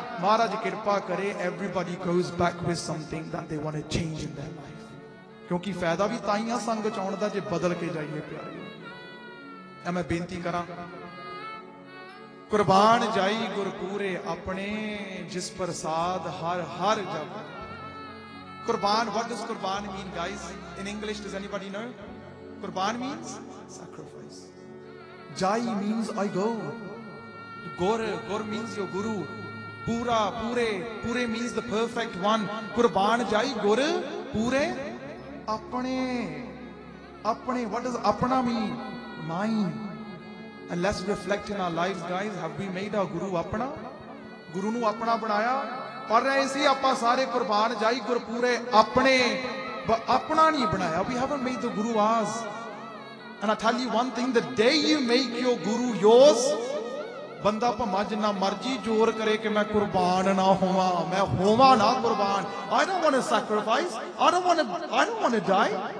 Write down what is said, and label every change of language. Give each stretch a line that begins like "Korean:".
Punjabi: ਮਹਾਰਾਜ ਕਿਰਪਾ ਕਰੇ
English: everybody goes back with something that they want to change in their life
Punjabi: ਕਿਉਂਕਿ ਫਾਇਦਾ ਵੀ ਤਾਂ ਹੀ ਆ ਸੰਗ 'ਚ ਆਉਣ ਦਾ ਜੇ ਬਦਲ ਕੇ ਜਾਈਏ ਪਿਆਰੇ ਮੈਂ ਬੇਨਤੀ ਕਰਾਂ ਕੁਰਬਾਨ ਜਾਈ ਗੁਰਪੂਰੇ ਆਪਣੇ ਜਿਸ ਪ੍ਰਸਾਦ ਹਰ ਹਰ ਜਪ Qurban,
English: what does Qurban mean, guys? In English, does anybody know? Qurban means sacrifice. Jai means I go. Gaur means your guru. Pura, pure. Pure means the perfect one.
Punjabi: Qurban jai, gaur, pure. Apne. Apne.
English: What does apna mean? Mine. And let's reflect in our lives, guys. Have we made our guru apna?
Punjabi: Guru nu apna banaya? ਪੜ ਰਹੇ ਸੀ ਆਪਾਂ ਸਾਰੇ ਕੁਰਬਾਨ ਜਾਈ ਗੁਰਪੂਰੇ ਆਪਣੇ ਆਪਣਾ ਨਹੀਂ ਬਣਾਇਆ
English: we haven't made the guru ours and I tell you one thing the day you make your guru yours
Punjabi: ਬੰਦਾ ਭਮਾ ਜਿੰਨਾ ਮਰਜ਼ੀ ਜ਼ੋਰ ਕਰੇ ਕਿ ਮੈਂ ਕੁਰਬਾਨ ਨਾ ਹੋਵਾਂ ਮੈਂ ਹੋਵਾਂ ਨਾ ਕੁਰਬਾਨ
English: I don't want to sacrifice I don't want to die